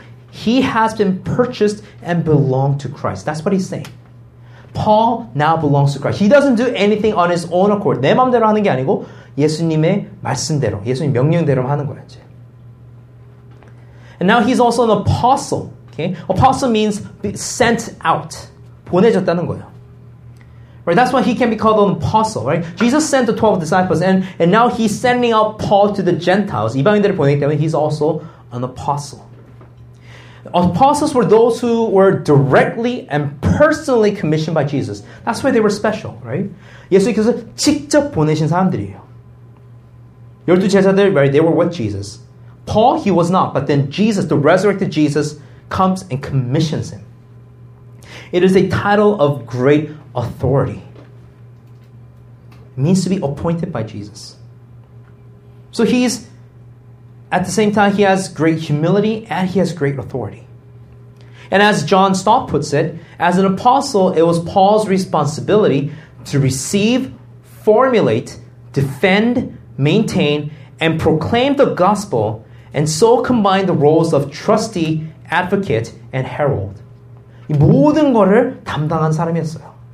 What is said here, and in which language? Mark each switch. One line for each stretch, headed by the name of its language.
English: He has been purchased and belonged to Christ. That's what he's saying. Paul now belongs to Christ. He doesn't do anything on his own accord.
Korean: 내 마음대로 하는 게 아니고 예수님의 말씀대로, 예수님 명령대로 하는 거야, 이제.
English: And now he's also an apostle. Okay? Apostle means sent out.
Korean: 보내졌다는 거예요.
English: Right? That's why he can be called an apostle, right? Jesus sent the 12 disciples, and now he's sending out Paul to the Gentiles.
Korean: 이방인들을 보내기 때문에
English: he's also an apostle. Apostles were those who were directly and personally commissioned by Jesus. That's why they were special, right?
Korean: 예수님께서 직접 보내신 사람들이에요. 열두 제자들,
English: right, they were with Jesus. Paul, he was not, but then Jesus, the resurrected Jesus, comes and commissions him. It is a title of great authority. It means to be appointed by Jesus. So he's, at the same time, he has great humility and he has great authority. And as John Stott puts it, as an apostle, it was Paul's responsibility to receive, formulate, defend, maintain, and proclaim the gospel, and so combine the roles of trustee, advocate, and herald.
Korean: 이 모든 것을 담당한 사람이었어요.